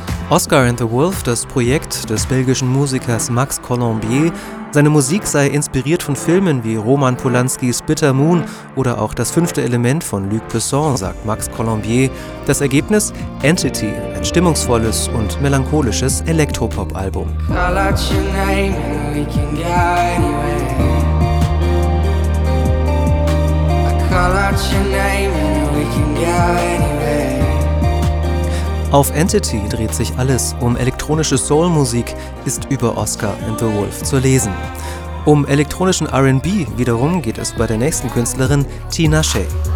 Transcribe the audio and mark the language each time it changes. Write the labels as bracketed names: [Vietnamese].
[German] Oscar and the Wolf, das Projekt des belgischen Musikers Max Colombier. Seine Musik sei inspiriert von Filmen wie Roman Polanskis Bitter Moon oder auch Das fünfte Element von Luc Besson, sagt Max Colombier. Das Ergebnis? Entity, ein stimmungsvolles und melancholisches Elektropop-Album. [English] Call out your name and we can go anywhere. I call out your name and we can go anywhere. [German] Auf Entity dreht sich alles um elektronische Soul-Musik, ist über Oscar and the Wolf zu lesen. Um elektronischen R&B wiederum geht es bei der nächsten Künstlerin Tina Shay.